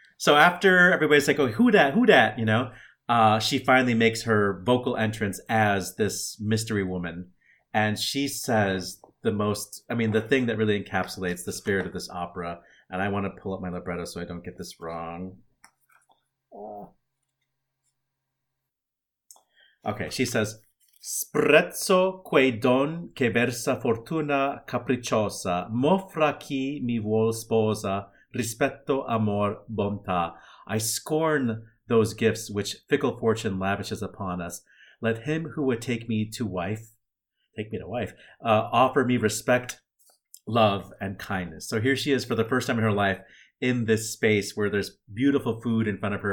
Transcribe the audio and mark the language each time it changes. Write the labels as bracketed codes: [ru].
[en] So after everybody's like, oh, who dat, you know, she finally makes her vocal entrance as this mystery woman. And she says the thing that really encapsulates the spirit of this opera. And I want to pull up my libretto so I don't get this wrong. Okay, she says, [it] sprezzo quei don che versa fortuna capricciosa, m'offra chi mi vuol sposa, rispetto amor bontà. [en] I scorn those gifts which fickle fortune lavishes upon us. Let him who would take me to wife, offer me respect, love, and kindness. So here she is for the first time in her life in this space where there's beautiful food in front of her.